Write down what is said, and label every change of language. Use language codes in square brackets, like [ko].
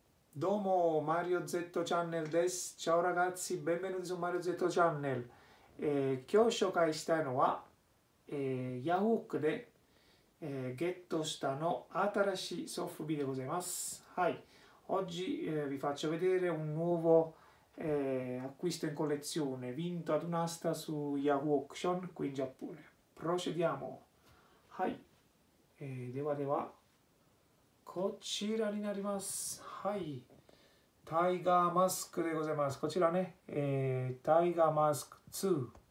[ja] Domo Mario Z Channel です。 [it] Ciao ragazzi, benvenuti su Mario Z Channel。 [ja] 今日紹介したいのは、ヤフオクで、ゲットしたの新しいソフビでございます。 [it] はい、oggi、vi faccio vedere un nuovo、acquisto in collezione vinto ad un'asta su Yahoo Auction qui in Giappone. Procediamo. [ja] はい、ではでは、こちらになります。はい、タイガーマスクでございます。こちらね、タイガーマスク2。